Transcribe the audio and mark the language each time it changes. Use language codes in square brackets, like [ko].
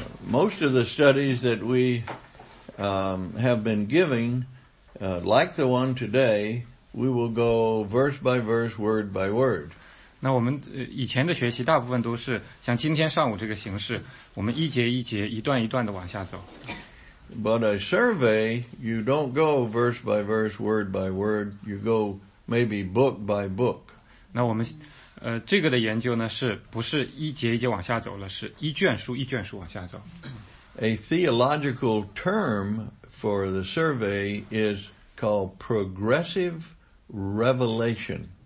[en] Most of the studies that we, have been giving, like the one today, we will go verse by verse, word by word. [zh] 那我们以前的学习大部分都是像今天上午这个形式，我们一节一节、一段一段的往下走。 [en] But a survey, you don't go verse by verse, word by word. You go maybe book by book. [zh] 那我们这个的研究呢，是不是一节一节往下走了？是一卷书一卷书往下走。 [en] A theological term for the survey is called progressive revelation.